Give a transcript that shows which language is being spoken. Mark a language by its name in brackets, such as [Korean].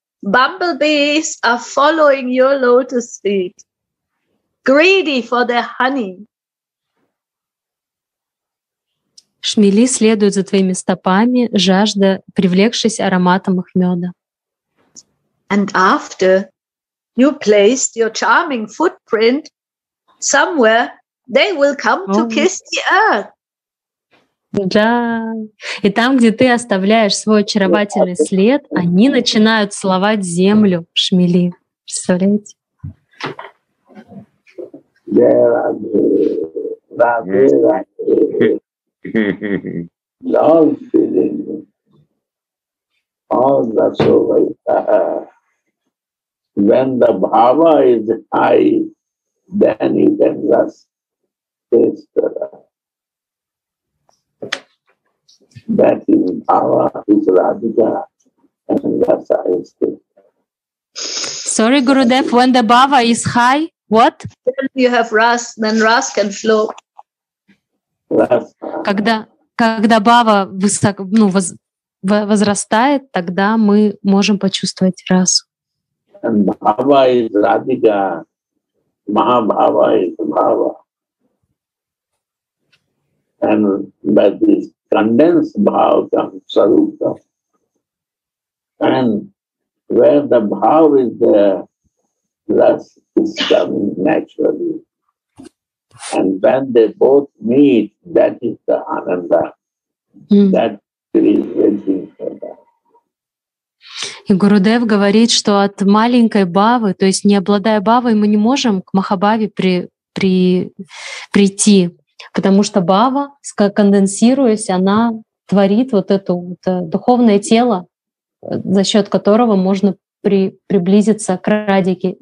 [English] Bumblebees are following your lotus feet, greedy for their honey. [Russian] Шмели следуют за твоими стопами, жажда, привлекшись ароматом их меда. [English] And after you placed your charming footprint somewhere, they will come to kiss the earth. [Russian] Да. И там, где ты оставляешь свой очаровательный след, они начинают целовать землю, шмели. Представляете? [English] There are Radhe, Radhe. Long feeling. All the soul is there. When the bhava is high, then you can just taste that is bhava is Radhika and rasa is taste. Sorry, Gurudev, when the bhava is high, what? When you have ras, then ras can flow. [Russian] Когда бхава высок, ну, возрастает, тогда мы можем почувствовать расу. Бхава из Радига, Махабхава из Бхава. [English] And by this condensed bhava comes sarupa. And where the bhava is there, ras is coming naturally. And when they both meet, that is the ananda. That is waiting for them. [Russian] И Гурудев говорит, что от маленькой бхавы, то есть не обладая бхавой, мы не можем к Махабхаве прийти, потому что бхава, конденсируясь, она творит вот это вот духовное тело, за счет которого можно приблизиться к Радике.